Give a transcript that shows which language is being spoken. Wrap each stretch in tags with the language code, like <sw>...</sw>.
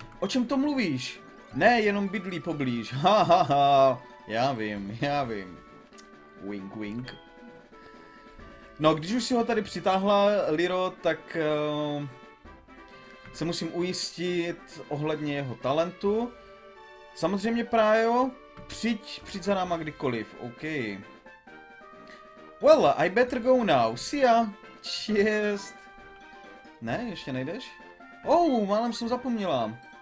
<cs>O čem to mluvíš? Ne, jenom bydlí poblíž. Ha, ha, ha. Já vím.</cs> <en>Wink, wink.</en> <cs>No, když už si ho tady přitáhla, Liro, tak se musím ujistit ohledně jeho talentu. Samozřejmě, Prajo, přijď za náma kdykoliv, OK.</cs> <en>Well, I better go now, see ya.</en> <cs>Čest. Ne, ještě nejdeš? Oh, málem jsem zapomněla.</cs>